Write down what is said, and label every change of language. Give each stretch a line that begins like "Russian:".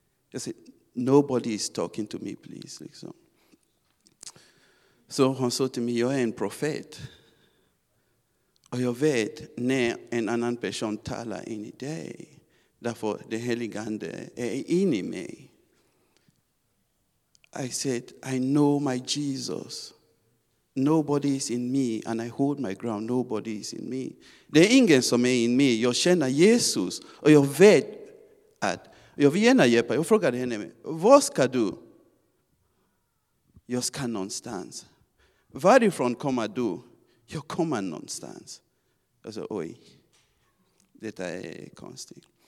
Swedish: Jag sa,
English: nobody is talking to me, please.
Swedish: Liksom. Så hon sa till mig, jag är en profet. Och jag vet när en annan person talar in i dig. Därför den helige ande är in i mig.
English: I said, I know my Jesus. Nobody is in me and I hold my ground. Nobody is in me.
Swedish: Det är ingen som är in mig. Jag känner Jesus. Och jag vet att jag vill gärna hjälpa. Jag frågade henne, vad ska du? jag ska någonstans. Varifrån kommer du? Jag kommer någonstans. Jag sa, oj, detta är konstigt.